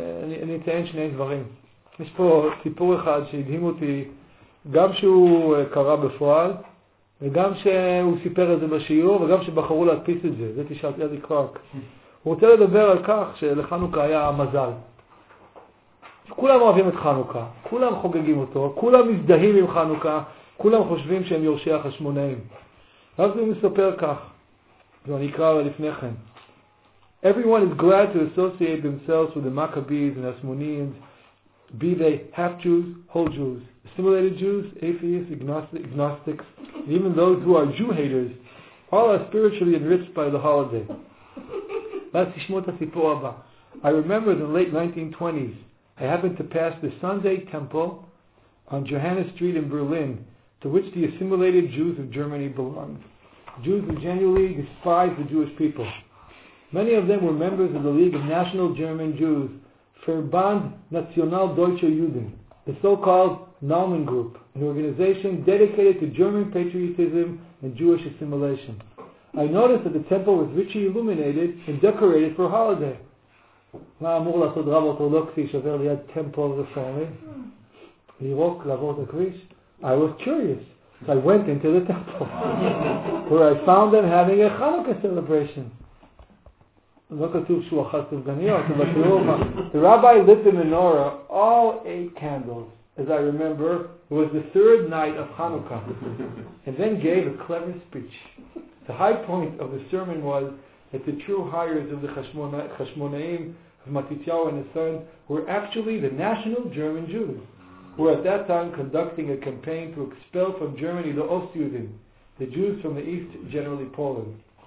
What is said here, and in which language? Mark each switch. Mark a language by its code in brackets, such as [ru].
[he] ואני אציין שני דברים. יש פה סיפור אחד שהדהים אותי, גם שהוא קרה בפועל, וגם שהוא סיפר את זה בשיעור, וגם שבחרו להדפיס את זה. זה תשאל אלי קלארק. הוא רוצה לדבר על כך שלחנוכה היה מזל. כולם אוהבים את חנוכה, כולם חוגגים אותו, כולם מזדהים עם חנוכה, כולם חושבים שהם יורשי החשמונאים. ואז הוא מספר כך, ואני אקרא לפני כן. [en] Everyone is glad to associate themselves with the Maccabees and Hasmoneans, be they half Jews, whole Jews. Assimilated Jews, atheists, agnostics, and even those who are Jew-haters, all are spiritually enriched by the holiday. I remember in the late 1920s, I happened to pass the Sunday Temple on Johanna Street in Berlin, to which the assimilated Jews of Germany belonged. Jews who genuinely despised the Jewish people. Many of them were members of the League of National German Jews, Verband National Deutscher Juden, the so-called Naumann Group, an organization dedicated to German patriotism and Jewish assimilation. I noticed that the temple was richly illuminated and decorated for a holiday. [he] מה אמור לעשות רב אורתודוקסי שעובר ליד טמפל רפורמי? לירוק, לעבור את הכביש? [en] I was curious. I went into the temple, where I found them having a Hanukkah celebration. [he] לא כתוב שהוא אחד סופגניות, אבל תראו מה. [en] The rabbi lit the menorah, all 8 candles. As I remember, it was the third night of Hanukkah, and then gave a clever speech. The high point of the sermon was that the true hires of the Chashmonaim of Matityahu and his son were actually the national German Jews, who were at that time conducting a campaign to expel from Germany the Ostjuden, the Jews from the east, generally Poland.